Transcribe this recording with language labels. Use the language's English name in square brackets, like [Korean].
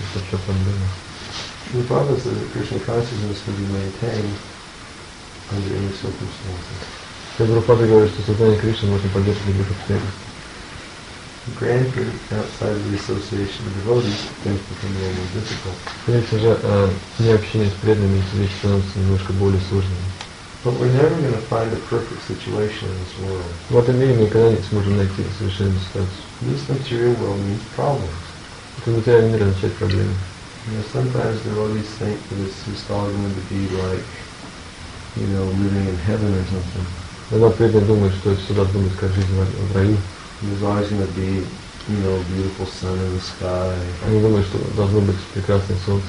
[English] The Prabhupada says that Krishna consciousness can be maintained under any circumstances. [Russian] The Prabhupada говорит, что сознание Кришны можно поддерживать в любых обстоятельствах. [English] Granted, outside of the association of devotees, things become more difficult. [Russian] Конечно же, не общение с преданными вещи становится немножко более сложными. [English] But we're never going to find a perfect situation in this world. [Russian] В этом мире мы никогда не сможем найти совершенную ситуацию. [English] This material world means problems. [Russian] Материальный мир означает проблемы. [English] Sometimes devotees think that it's just all going to be like, you know, living in heaven or something. [Russian] Иногда преданные думают, что это все должно быть как жизнь в раю. [English] There's always going to be, you know, beautiful sun in the sky. [Russian] Они думают, что должно быть прекрасное солнце.